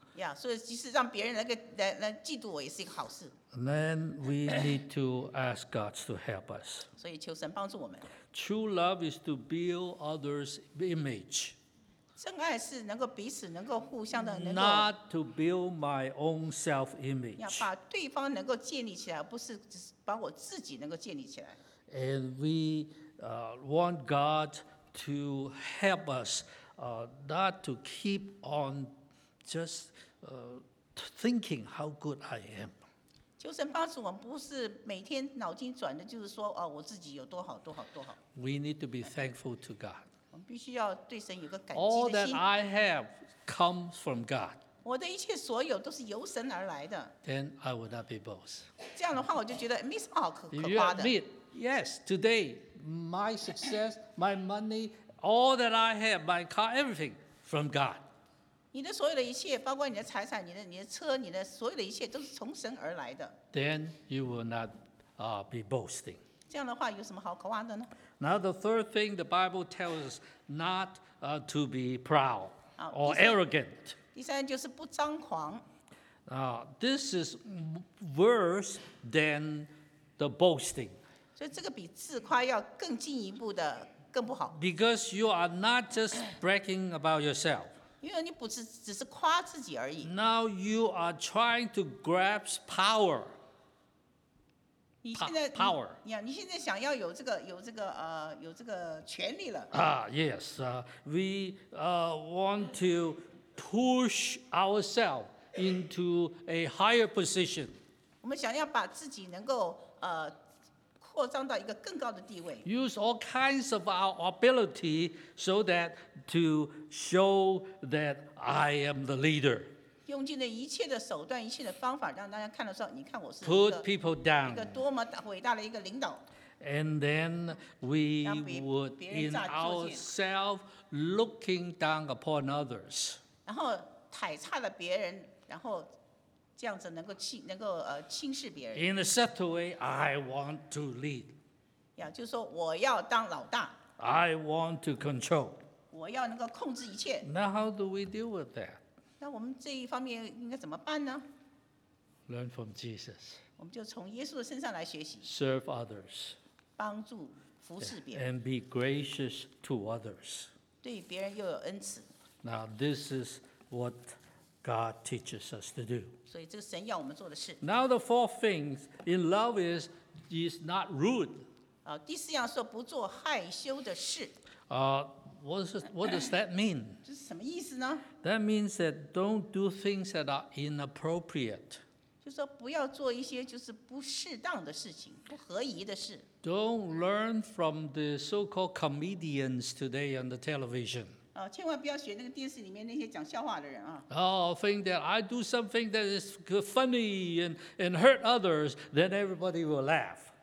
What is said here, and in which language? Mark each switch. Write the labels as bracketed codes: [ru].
[zh] Yeah, 所以即使让别人来嫉妒我，也是一个好事。 [en] And then we need to ask God to help us. [zh] 所以求神帮助我们。 [en] True love is to build others' image. [zh] 真爱是能够彼此能够互相的能够。 [en] Not to build my own self-image. [zh] 要把对方能够建立起来，不是只是把我自己能够建立起来。 [en] And we want God to help us, not to keep on just thinking how good I am. [zh] 求神帮助我们，不是每天脑筋转的，就是说，我自己有多好，多好，多好。 [en] We need to be thankful to God. [zh] 我们必须要对神有个感激的心。 [en] All that I have comes from God. [zh] 我的一切所有都是由神而来的。 [en] Then I will not be boss. [zh] 这样的话，我就觉得没什么好可夸的。 [en] You admit, yes, today my success, my money, all that I have, my car, everything from God. [zh] 你的所有的一切，包括你的财产、你的车、你的所有的一切，都是从神而来的。 [en] Then you will not, be boasting. [zh] 这样的话有什么好可夸的呢？ [en] Now the third thing the Bible tells us not, to be proud or arrogant. [zh] 第三就是不张狂。 [en] This is worse than the boasting. [zh] 所以这个比自夸要更进一步的更不好。 [en] Because you are not just bragging about yourself. [zh] 因为你不是只是夸自己而已。 [en] Now you are trying to grasp power. [zh] 你现在 [en] power. [zh] 你现在想要有这个权利了。 [en] Yes. We want to. Push ourselves into a higher position. [zh] 我们想要把自己能够扩张到一个更高的地位。 [en] Use all kinds of our ability so that to show that I am the leader. [zh] 用尽了一切的手段，一切的方法，让大家看到说，你看我是一个。 [en] Put people down. [zh] 一个多么伟大的一个领导。 [en] And then we would in ourselves looking down upon others. [zh] 然后踩踏了别人，然后这样子能够轻视别人。 [en] In a subtle way, I want to lead. [zh] 就是说我要当老大。 [en] I want to control. [zh] 我要能够控制一切。 [en] Now how do we deal with that? [zh] 那我们这一方面应该怎么办呢？ [en] Learn from Jesus. [zh] 我们就从耶稣的身上来学习。 [en] Serve others. [zh] 帮助服侍别人。 [en] And be gracious to others. [zh] 对别人又有恩慈。 [en] Now this is what God teaches us to do. [zh] 所以这是神要我们做的事。 [en] Now the fourth thing in love is not rude. [zh] 第四样说不做害羞的事。 [en] What does that mean? [zh] 这是什么意思呢？ [en] That means that don't do things that are inappropriate. [zh] 就说不要做一些就是不适当的事情，不合宜的事。 [en] Don't learn from the so-called comedians today on the television. [zh] 千万不要学那个电视里面那些讲笑话的人 [en] think that I do something that is funny and hurt others, then everybody will laugh.